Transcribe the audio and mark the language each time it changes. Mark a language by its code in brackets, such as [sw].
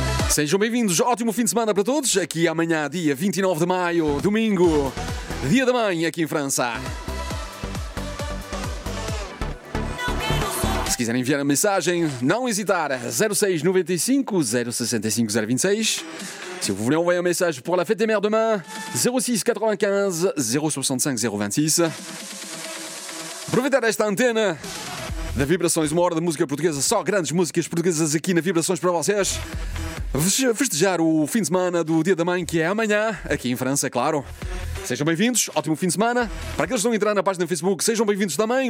[pt] Sejam bem-vindos. Ótimo fim de semana para todos. Aqui amanhã, dia 29 de maio, domingo, dia da mãe aqui em França. Se quiserem enviar a mensagem, não hesitar, 0695-065-026. [fr] Se vous voulez envoyer un message pour la fête des mères demain, 06-95-065-026. [pt] Aproveitar esta antena da Vibrações, uma hora de música portuguesa, só grandes músicas portuguesas aqui na Vibrações para vocês. Festejar o fim de semana do Dia da Mãe, que é amanhã, aqui em França, claro. Sejam bem-vindos, ótimo fim de semana. Para aqueles que estão a entrar na página do Facebook, sejam bem-vindos também.